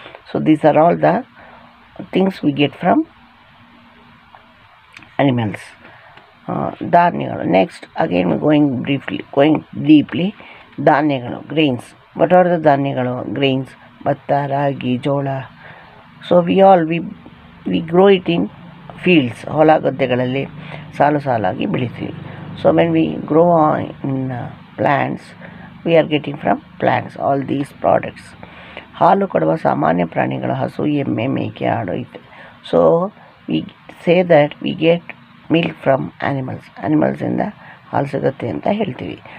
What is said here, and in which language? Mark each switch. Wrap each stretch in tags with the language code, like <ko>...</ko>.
<en>So these are all the things we get from animals, ಧಾನ್ಯಗಳು. Next again going deeply ಧಾನ್ಯಗಳು, grains. What are the ಧಾನ್ಯಗಳು, grains, ಭತ್ತ, ರಾಗಿ, ಜೋಳ. So we grow it in fields,</en> <kn>ಹೊಲ ಗದ್ದೆಗಳಲ್ಲಿ ಸಾಲು ಸಾಲಾಗಿ ಬೆಳಿತೀವಿ.</kn> <en>So when we grow in plants, we are getting from plants all these products.</en> <kn>ಹಾಲು ಕೊಡುವ ಸಾಮಾನ್ಯ ಪ್ರಾಣಿಗಳು ಹಸು, ಎಮ್ಮೆ, ಮೇಕೆ, ಆಡು ಇದೆ.</kn> <en>so we say that we get milk from animals,</en> <kn>ಆ್ಯನಿಮಲ್ಸಿಂದ ಹಾಲು ಸಿಗುತ್ತೆ ಅಂತ ಹೇಳ್ತೀವಿ.</kn>